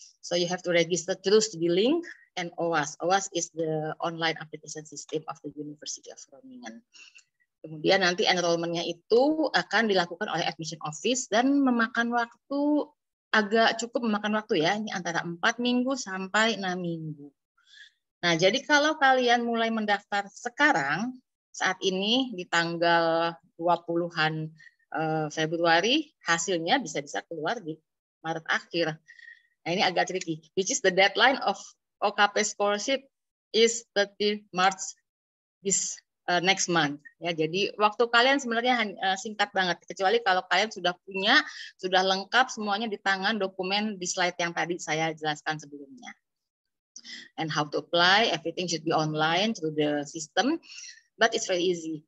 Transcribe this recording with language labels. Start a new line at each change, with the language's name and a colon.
English: So you have to register through the link and OAS. OAS is the online application system of the University of Groningen.
Indonesian: Kemudian nanti enrollment-nya itu akan dilakukan oleh admission office dan memakan waktu, agak cukup memakan waktu ya, ini antara 4 minggu sampai 6 minggu. Nah, jadi kalau kalian mulai mendaftar sekarang, saat ini di tanggal 20-an Februari, hasilnya bisa-bisa keluar di Maret akhir. Nah, ini agak tricky.
English: Which is the deadline of OKP scholarship is 30 March this next month ya.
Indonesian: Jadi waktu kalian sebenarnya singkat banget, kecuali kalau kalian sudah punya, sudah lengkap semuanya di tangan, dokumen di slide yang tadi saya jelaskan sebelumnya.
English: And how to apply, everything should be online through the system, but it's very easy.